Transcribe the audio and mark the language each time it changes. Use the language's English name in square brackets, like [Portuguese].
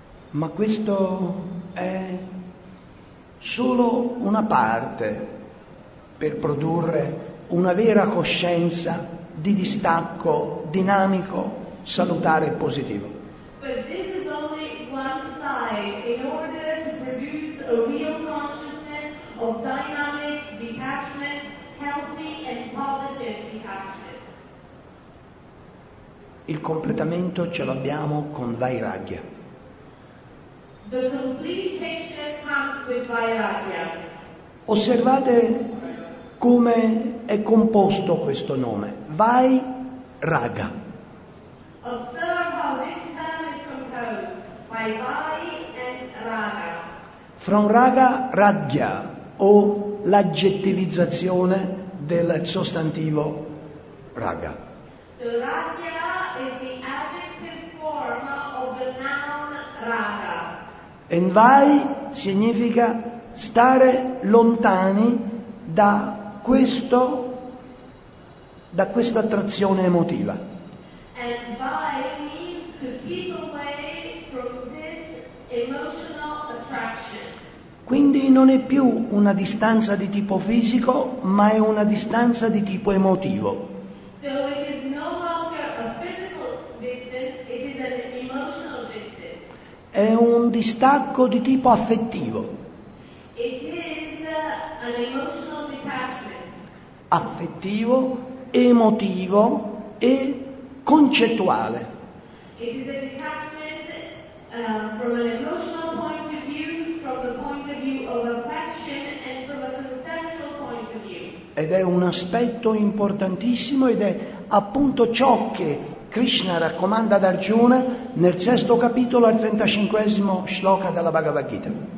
[Italian] Ma questo è solo una parte per produrre una vera coscienza di distacco dinamico, salutare e positivo. [English] But this is only one side in order to produce a real consciousness of dynamic detachment, healthy and positive detachment. [Italian] Il completamento ce l'abbiamo con Vairagya. [English] The complete picture comes with Vairagya. [Italian] Osservate come è composto questo nome. Vai raga. [English] Observe how this term is composed by vai and raga. From [Italian] raga, ragya, o l'aggettivizzazione del sostantivo raga. [English] The ragya is the adjective form of the noun raga. And [Italian] vai significa stare lontani da questo, da questa attrazione emotiva. [English] And vai means to keep away from this emotional attraction. [Italian] Quindi non è più una distanza di tipo fisico, ma è una distanza di tipo emotivo. [English] So it is no longer a physical distance, it is an emotional distance. [Italian] È un distacco di tipo affettivo. [English] It is an emotional detachment. [Italian] Affettivo, emotivo e concettuale. [English] It is a detachment from an emotional point of view, from the point of view of affection, and from a conceptual point of view. [Italian] Ed è un aspetto importantissimo ed è appunto ciò che Krishna raccomanda ad Arjuna nel sesto capitolo al 35° shloka della Bhagavad Gita.